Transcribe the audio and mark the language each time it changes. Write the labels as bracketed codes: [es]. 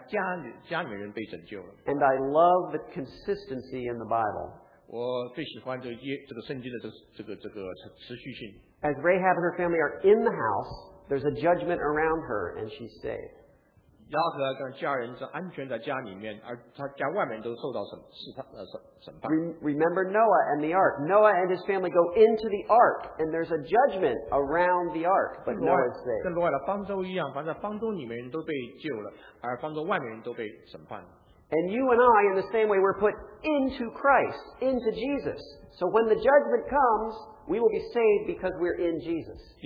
[en] And I love the consistency in the Bible. As Rahab and her family are in the house, there's a judgment around her, and she's saved. [zh] 拉合跟家人是安全在家里面，而他家外面都受到审判。 [en] Remember Noah and the ark. Noah and his family go into the ark, and there's a judgment around the ark, but Noah's saved. [zh] 跟挪亚的方舟一样，反正方舟里面人都被救了，而方舟外面人都被审判。And [en] you and I, in the same way, we're put into Christ, into Jesus. So when the judgment comes, we will be saved because we're in Jesus.